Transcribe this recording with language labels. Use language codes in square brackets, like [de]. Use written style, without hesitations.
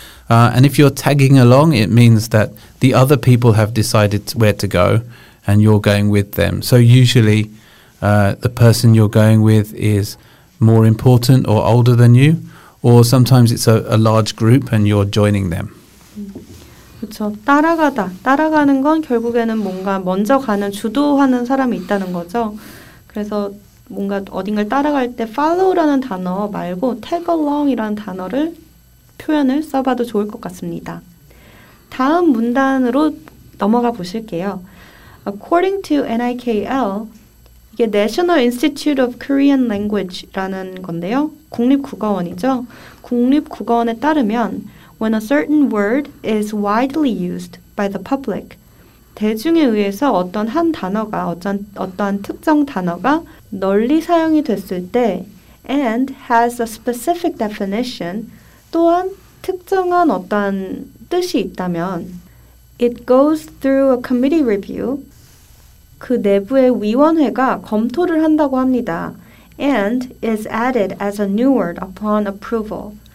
[en] And if you're tagging along, it means that the other people have decided where to go and you're going with them. So usually the person you're going with is more important or older than you, or sometimes it's a large group and you're joining them. [ko] 그렇죠. 따라가다. 따라가는 건 결국에는 뭔가 먼저 가는, 주도하는 사람이 있다는 거죠. 그래서 뭔가 어딘가를 따라갈 때 follow라는 단어 말고 tag along이라는 단어를 표현을 써봐도 좋을 것 같습니다. 다음 문단으로 넘어가 보실게요. [en] According to NIKL, 이게 National Institute of Korean Language라는 [ko] 건데요. 국립국어원이죠. 국립국어원에 따르면 [en] When a certain word is widely used by the public, [ko] 대중에 의해서 어떤 한 단어가, 어떤 특정 단어가 널리 사용이 됐을 때, [en] and has a specific definition, [ko] 또한 특정한 어떤 뜻이 있다면, [en] it goes through a committee review, [ko] 그 내부의 위원회가 검토를 한다고 합니다. [en] And is added as a new word upon approval.